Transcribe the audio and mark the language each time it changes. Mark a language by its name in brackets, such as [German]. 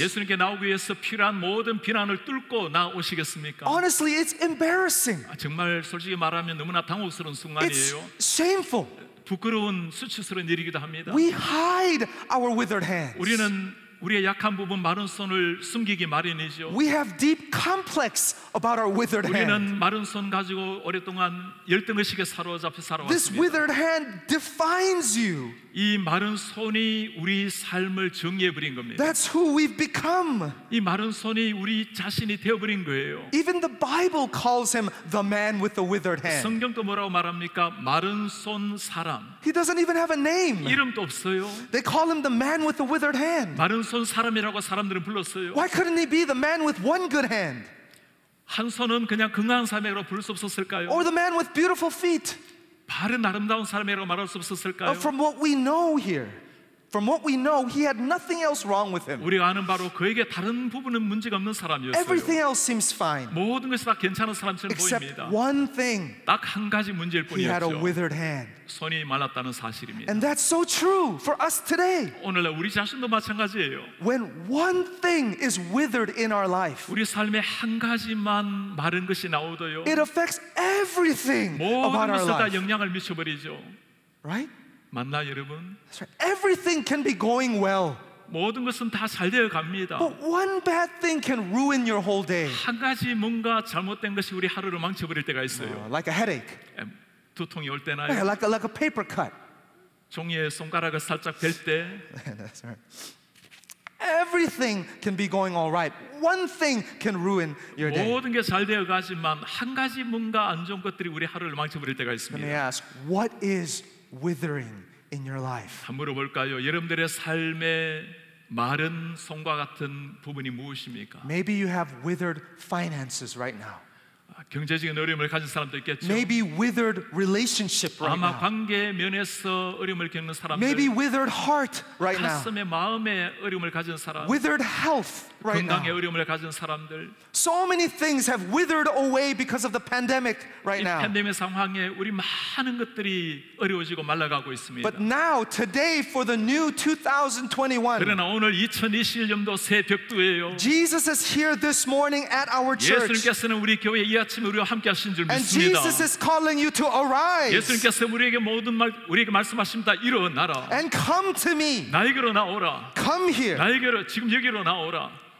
[Korean] 예수님께 나오기 위해서 필요한 모든 비난을 뚫고 나오시겠습니까? [English] Honestly, it's embarrassing. [Korean] 정말 솔직히 말하면 너무나 당혹스러운 순간이에요. [English] It's shameful. [Korean] 부끄러운 수치스러운 일이기도 합니다. [English] We hide our withered hands. [Korean] 우리는 우리의 약한 부분 마른 손을 숨기기 마련이죠. [English] We have deep complex about our withered hand. [Korean] 우리는 마른 손 가지고 오랫동안 열등의식에 사로잡혀 살아왔습니다. [English] This withered hand defines you. [Korean] 이 마른 손이 우리 삶을 정의해 버린 겁니다. [English] That's who we've become. [Korean] 이 마른 손이 우리 자신이 되어 버린 거예요. [English] Even the Bible calls him the man with the withered hand. [Korean] 성경도 뭐라고 말합니까? 마른 손 사람. [English] He doesn't even have a name. [Korean] 이름도 없어요. [English] They call him the man with the withered hand. [Korean] 마른 손 사람이라고 사람들은 불렀어요. [English] Why couldn't he be the man with one good hand? [Korean] 한 손은 그냥 건강한 사람으로 부를 수 없었을까요? [English] Or the man with beautiful feet? [Korean] 발은 아름다운 사람이라고 말할 수 없었을까요? [English] From what we know here, from what we know, he had nothing else wrong with him. [Korean] 우리가 아는 바로 그에게 다른 부분은 문제가 없는 사람이었어요. Everything else seems fine. 모든 것이 다 괜찮은 사람처럼 [English] except [Korean] 보입니다. [English] Except one thing. [Korean] 딱 한 가지 문제일 뿐이었죠. [English] He had a withered hand. [Korean] 손이 말랐다는 사실입니다. [English] And that's so true for us today. [Korean] 오늘날 우리 자신도 마찬가지예요. [English] When one thing is withered in our life, [Korean] 우리 삶에 한 가지만 마른 것이 나오더요. [English] It affects everything about our life. [Korean] 모든 것에 다 영향을 미쳐버리죠. [English] Right? [Korean] 맞나 여러분? [English] Everything can be going well. [Korean] 모든 것은 다 잘 되어 갑니다. [English] But one bad thing can ruin your whole day. [Korean] 한 가지 뭔가 잘못된 것이 우리 하루를 망쳐버릴 때가 있어요. [English] Like a headache. [Korean] 두통이 올 때나요. [English] Like a paper cut. [Korean] 종이에 손가락을 살짝 댈 때. [English] That's right. Everything can be going all right. One thing can ruin your day. [Korean] 모든 게 잘 되어 가지만 한 가지 뭔가 안 좋은 것들이 우리 하루를 망쳐버릴 때가 있습니다. [English] Let me ask, what is withering in your life? [Korean] 한번 물어볼까요? 여러분들의 삶에 마른 손과 같은 부분이 무엇입니까? [English] Maybe you have withered finances right now. [Korean] 경제적인 어려움을 가진 사람도 있겠죠. [English] Maybe withered relationship right now. [Korean] 아마 관계 면에서 어려움을 겪는 사람들. [English] Maybe withered heart right now. [Korean] 가슴에 마음에 어려움을 가진 사람. [English] Withered health right now. [Korean] 건강에 어려움을 가진 사람들. [English] So many things have withered away because of the pandemic right now. [Korean] 이 팬데믹 상황에 우리 많은 것들이 어려워지고 말라가고 있습니다. [English] But now, today, for the new 2021. [Korean] 그러나 오늘 2021년도 새 벽두예요. [English] Jesus is here this morning at our church. [Korean] 예수님께서는 우리 교회에 이 아침에 우리와 함께 하신 줄 믿습니다. [English] And Jesus is calling you to arise. [Korean] 예수님께서 우리에게 모든 말 우리에게 말씀하십니다. 일어나라. [English] And come to me. [Korean] 나에게로 나오라. [English] Come here. [Korean] 나에게로 지금 여기로 나오라.